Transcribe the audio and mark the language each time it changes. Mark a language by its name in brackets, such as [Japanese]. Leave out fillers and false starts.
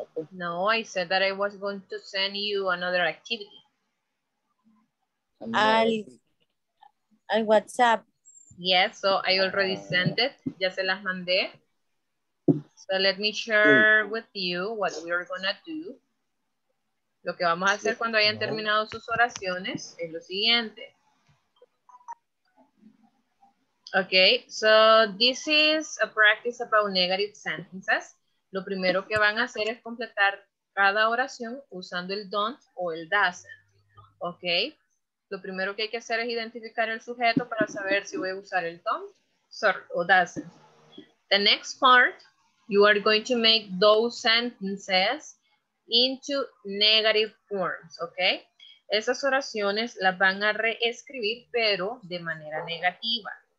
[English] No, I said that I was going to send you another activity. [Spanish] Al WhatsApp. [English] Yes, so I already sent it. [Spanish] Ya se las mandé. [English] So let me share with you what we are going to do. [Spanish] Lo que vamos a hacer cuando hayan terminado sus oraciones es lo siguiente. [English] Okay, so this is a practice about negative sentences. [Spanish] Lo primero que van a hacer es completar cada oración usando el don't o el doesn't. Okay, lo primero que hay que hacer es identificar el sujeto para saber si voy a usar el don't o doesn't. [English] The next part, you are going to make those sentences into negative forms, okay? [Spanish] Esas oraciones las van a reescribir, pero de manera negativa.